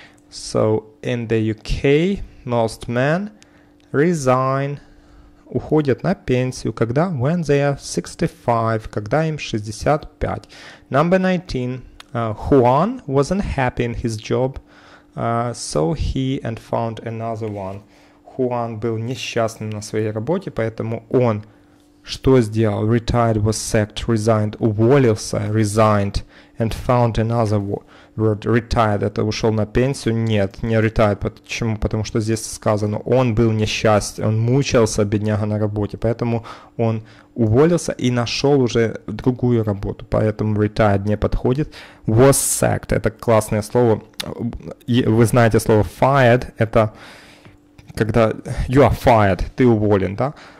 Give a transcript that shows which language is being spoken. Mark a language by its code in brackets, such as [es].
[en] So in the UK, most men resign, [ru] уходят на пенсию, когда [en] when they are 65, [ru] когда им 65. [en] Number 19, Juan wasn't happy in his job, so he and found another one. [ru] Juan был несчастным на своей работе, поэтому он что сделал? [en] Retired, was sacked, resigned, уволился, resigned, and found another word. [ru] Retired, это ушел на пенсию? Нет, не retired. Почему? Потому что здесь сказано, он был несчастен, он мучился, бедняга, на работе, поэтому он уволился и нашел уже другую работу, поэтому retired не подходит. Was sacked, это классное слово. Вы знаете слово fired, это когда [en] you are fired, [ru] ты уволен, да?